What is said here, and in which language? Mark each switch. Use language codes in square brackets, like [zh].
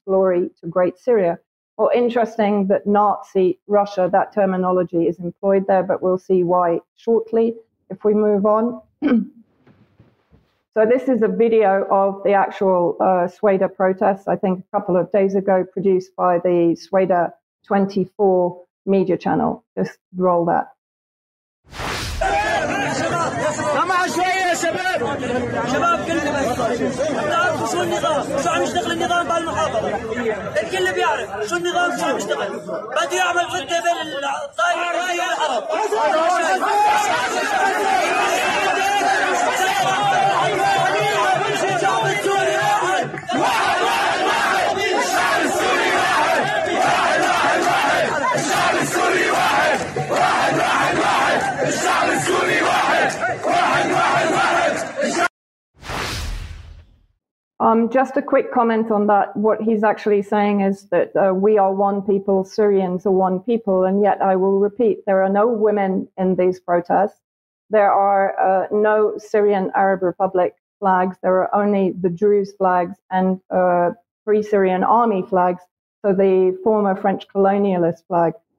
[en] Glory to Great Syria. Well, interesting that Nazi Russia, that terminology is employed there, but we'll see why shortly if we move on. So this is a video of the actual Sweda protests, I think a couple of days ago, produced by the Sweda 24 media channel. Just roll that. [ar] شباب كلنا بس تعرفوا شو النظام شو عم يشتغل النظام بالمحافظة الكل بيعرف شو النظام شو عم يشتغل بده يعمل ردة بين الطائر والعرب Um, [en] Just a quick comment on that. What he's actually saying is that we are one people, Syrians are one people. And yet I will repeat, there are no women in these protests. There are no Syrian Arab Republic flags. There are only the Druze flags and Free Syrian Army flags, so the former French colonialist flag.